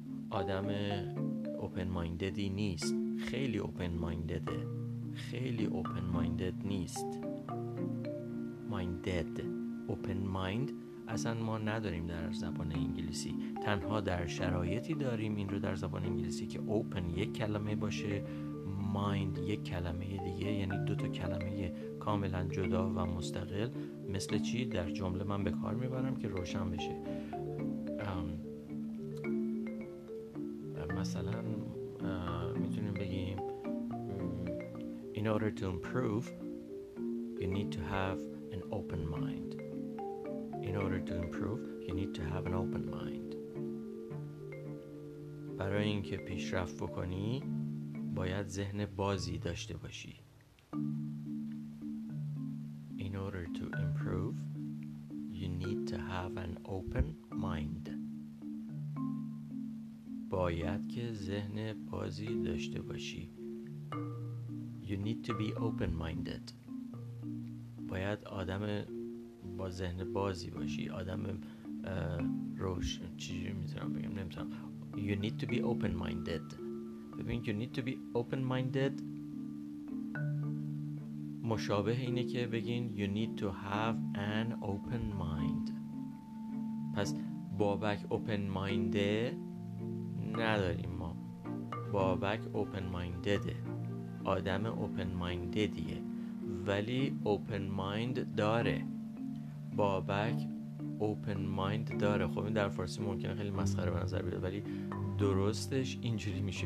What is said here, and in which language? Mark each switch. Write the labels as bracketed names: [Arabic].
[Persian] آدم open minded نیست، خیلی open minded، خیلی open minded نیست. minded، open mind اصلا ما نداریم در زبان انگلیسی. تنها در شرایطی داریم این رو در زبان انگلیسی که open یک کلمه باشه، mind یک کلمه دیگه، یعنی دو تا کلمه کاملا جدا و مستقل. مثل چی؟ در جمله من به کار میبرم که روشن بشه. مثلا میتونیم بگیم [English] In order to improve you need to have an open mind. In order to improve you need to have an open mind. [Persian] برای اینکه پیشرفت بکنی باید ذهن بازی داشته باشی. [English] In order to improve you need to have an open mind. [Persian] باید که ذهن بازی داشته باشی. [English] You need to be open minded. [Persian] باید آدم با ذهن بازی باشی، آدم روشن. چیزی میتونم بگم نمیتونم. [English] You need to be open minded. [Persian] ببین [English] you need to be open minded [Persian] مشابه اینه که بگین [English] You need to have an open mind. [Persian] پس بابک open minded نداریم ما، بابک open minded، آدم open minded، ولی open mind داره. بابک open mind داره. خب این در فارسی ممکنه خیلی مسخره به نظر بیاد، ولی درستش اینجوری میشه.